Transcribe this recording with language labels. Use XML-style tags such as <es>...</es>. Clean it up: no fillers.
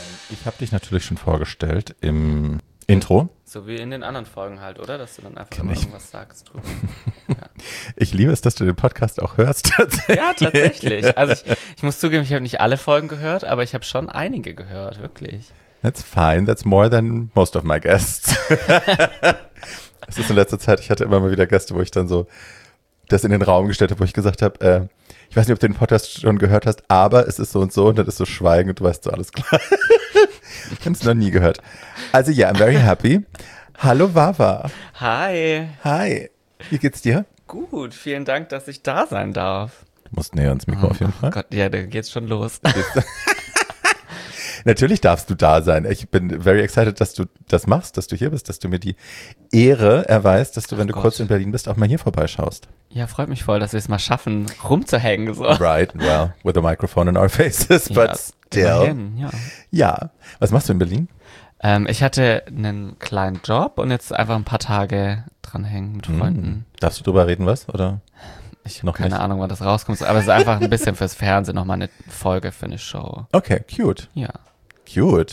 <de>Ich habe dich natürlich schon vorgestellt im Intro. So wie in den anderen Folgen halt, oder? Dass du dann einfach mal irgendwas sagst drüber. Ja. Ich liebe es, dass du den Podcast auch hörst. Tatsächlich. Ja, tatsächlich. Also ich muss zugeben, ich habe nicht alle Folgen gehört, aber ich habe schon einige gehört, wirklich.</de> <en>That's fine, that's more than most of my guests.</en> <de>Es ist in letzter Zeit, ich hatte immer mal wieder Gäste, wo ich dann so das in den Raum gestellt habe, wo ich gesagt habe, ich weiß nicht, ob du den Podcast schon gehört hast, aber es ist so und so, und dann ist so schweigend, du weißt so, alles klar. Ich habe es noch nie gehört. Also ja,</de> <en>yeah, I'm very happy.</en> <de>Hallo Vava. Hi. Hi. Wie geht's dir? Gut, vielen Dank, dass ich da sein darf. Du musst näher ans Mikro auf jeden Fall. Oh Gott, ja, da geht's schon los. Natürlich darfst du da sein. Ich bin</de> <en>very excited,</en> <de>dass du das machst, dass du hier bist, dass du mir die Ehre erweist, dass du, wenn du kurz in Berlin bist, auch mal hier vorbeischaust. Ja, freut mich voll, dass wir es mal schaffen, rumzuhängen. So.</de> <en>Right, well, with a microphone in our faces, but ja, still.</en> <de>Immerhin, ja. Ja, was machst du in Berlin? Ich hatte einen kleinen Job und jetzt einfach ein paar Tage dranhängen mit Freunden. Darfst du drüber reden, was? Oder? Ich habe keine Ahnung, wann das rauskommt, aber es ist einfach ein bisschen fürs Fernsehen nochmal eine Folge für eine Show.</de> <en>Okay, cute.</en> <de>Ja.</de> <en>Cute.</en>